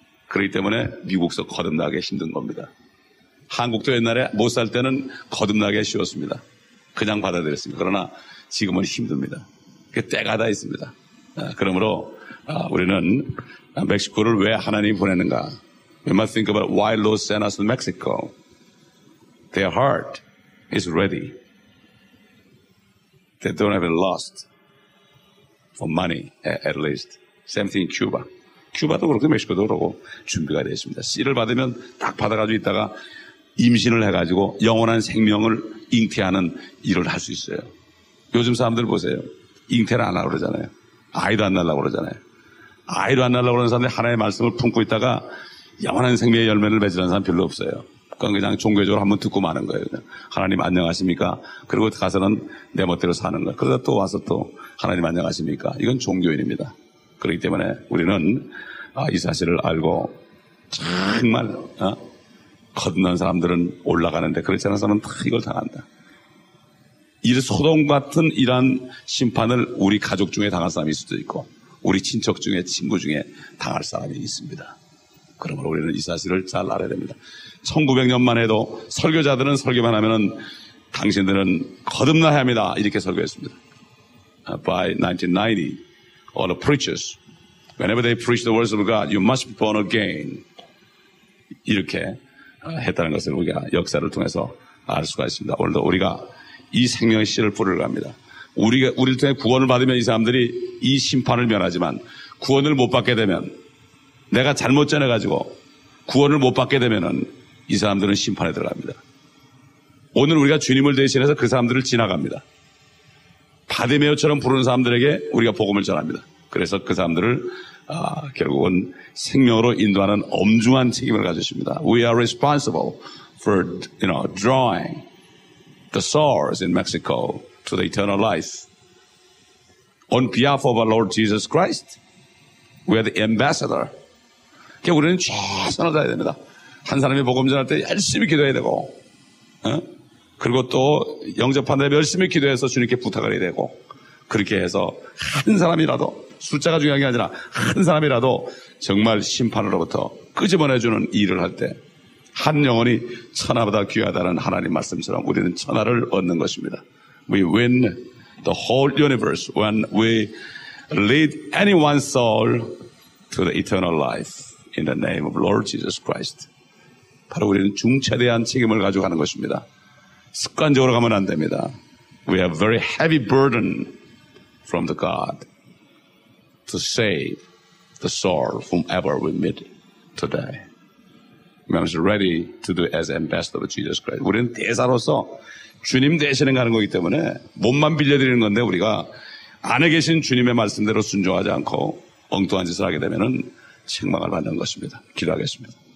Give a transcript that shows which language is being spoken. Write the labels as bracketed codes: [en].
[ko] 그렇기 때문에 미국서 거듭나기 힘든 겁니다. 한국도 옛날에 못 살 때는 거듭나기 쉬웠습니다. 그냥 받아들였습니다. 그러나 지금은 힘듭니다. 그 때가 다 있습니다. 그러므로 우리는 멕시코를 왜 하나님이 보냈는가? [en] We must think about why Lord sent us to Mexico. Their heart is ready. They don't have a lust for money, at least. Same thing in Cuba. [ko] Cuba도 그렇고 멕시코도 그렇고 준비가 되어 있습니다. 씨를 받으면 딱 받아가지고 있다가 임신을 해가지고 영원한 생명을 잉태하는 일을 할 수 있어요. 요즘 사람들 보세요. 잉태를 안 하려고 그러잖아요. 아이도 안 낳으려고 그러잖아요. 아이도 안 낳으려고 하는 사람들이 하나님의 말씀을 품고 있다가 영원한 생명의 열매를 맺으라는 사람 별로 없어요. 그건 그냥 종교적으로 한번 듣고 마는 거예요. 그냥. 하나님 안녕하십니까? 그리고 가서는 내 멋대로 사는 거예요. 그러다 또 와서 또 하나님 안녕하십니까? 이건 종교인입니다. 그렇기 때문에 우리는 이 사실을 알고 정말 거듭난 사람들은 올라가는데 그렇지 않은 사람은 다 이걸 당한다. 이 소동 같은 이러한 심판을 우리 가족 중에 당할 사람이 있을 수도 있고 우리 친척 중에 친구 중에 당할 사람이 있습니다. 그러므로 우리는 이 사실을 잘 알아야 됩니다. 1900년만 해도 설교자들은 설교만 하면은 당신들은 거듭나야 합니다. 이렇게 설교했습니다. [en] By 1990, all the preachers, whenever they preach the words of God, you must be born again. [ko] 이렇게 했다는 것을 우리가 역사를 통해서 알 수가 있습니다. 오늘도 우리가 이 생명의 씨를 뿌리려고 합니다. 우리를 통해 구원을 받으면 이 사람들이 이 심판을 면하지만 구원을 못 받게 되면 내가 잘못 전해가지고 구원을 못 받게 되면은 이 사람들은 심판에 들어갑니다. 오늘 우리가 주님을 대신해서 그 사람들을 지나갑니다. 바디메오처럼 부르는 사람들에게 우리가 복음을 전합니다. 그래서 그 사람들을 결국은 생명으로 인도하는 엄중한 책임을 가지십니다. [en] We are responsible for, you know, drawing the souls in Mexico to the eternal life. On behalf of our Lord Jesus Christ, we are the ambassador. [ko] 우리는 최선을 다해야 됩니다. 한 사람이 복음 전할 때 열심히 기도해야 되고, 그리고 또 영접한 다음에 열심히 기도해서 주님께 부탁을 해야 되고, 그렇게 해서 한 사람이라도, 숫자가 중요한 게 아니라 한 사람이라도 정말 심판으로부터 끄집어내주는 일을 할 때 한 영혼이 천하보다 귀하다는 하나님 말씀처럼 우리는 천하를 얻는 것입니다. [en] We win the whole universe when we lead anyone's soul to the eternal life in the name of Lord Jesus Christ. [ko] 바로 우리는 중차대한 책임을 가지고 가는 것입니다. 습관적으로 가면 안 됩니다. [en] We have very heavy burden from the God. To save the soul whomever we meet today. We are ready to do as ambassador of Jesus Christ. [ko] 우리는 대사로서 주님 대신에 가는 거기 때문에 몸만 빌려드리는 건데 우리가 안에 계신 주님의 말씀대로 순종하지 않고 엉뚱한 짓을 하게 되면은 책망을 받는 것입니다. 기도하겠습니다.